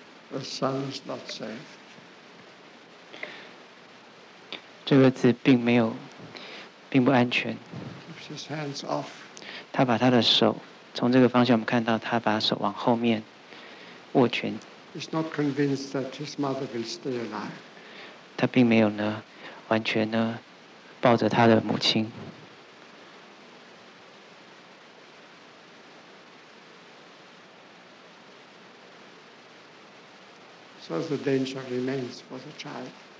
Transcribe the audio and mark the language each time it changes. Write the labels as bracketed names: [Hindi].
[English] The son is not safe. [Chinese] 这个字并没有，并不安全。 [English] Keeps his hands off. [Chinese] 他把他的手，从这个方向我们看到他把手往后面握拳。 [English] He's not convinced that his mother will stay alive. [Chinese] 他并没有呢，完全呢，抱着他的母亲。 [English] Because the danger remains for the child.